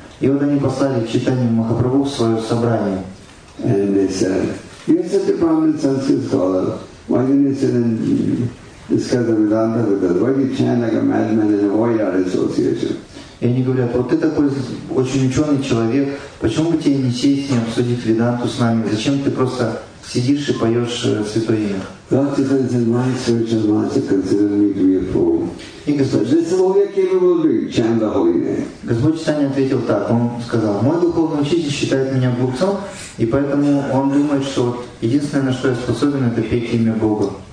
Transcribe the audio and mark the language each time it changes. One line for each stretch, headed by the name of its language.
Russian: И вот они послали Чайтанью Махапрабху в свое собрание.
English: And they said, you're such a prominent Sanskrit scholar. Why didn't you sit and discuss the Веданта with us? Why do you chant like a madman and avoid our association?
Russian: И они говорят, вот ты такой очень ученый человек, почему бы тебе не сесть и обсудить Веданту с нами? Зачем ты просто сидишь и поешь святое имя? Господь Чайтанья ответил так, он сказал, мой духовный учитель считает меня глупцом, и поэтому он думает, что вот единственное, на что я способен, это петь имя Бога.